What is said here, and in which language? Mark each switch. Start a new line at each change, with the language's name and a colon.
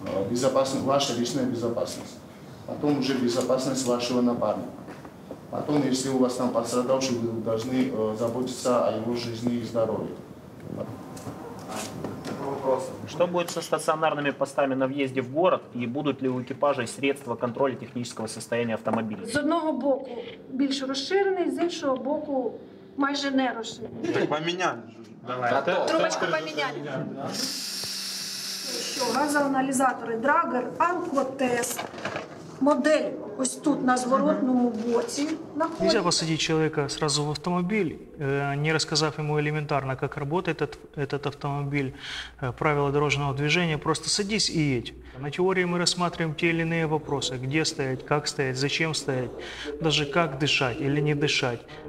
Russian: Безопасность, ваша личная безопасность. Потом уже безопасность вашего напарника. Потом, если у вас там пострадавший, вы должны заботиться о его жизни и здоровье. Что будет со стационарными постами на въезде в город и будут ли у экипажей средства контроля технического состояния автомобиля?
Ukrainian: С одного боку більш розширений, з іншого боку майже не розширений. Так поміняли. Трубочку поміняли. Що, газоаналізатори, драгер, алкотест, модель. Ось тут на зворотному боці находится.
Russian: Нельзя посадить человека сразу в автомобиль, не рассказав ему элементарно, как работает этот автомобиль, правила дорожного движения, просто садись и едь. На теории мы рассматриваем те или иные вопросы, где стоять, как стоять, зачем стоять, даже как дышать или не дышать.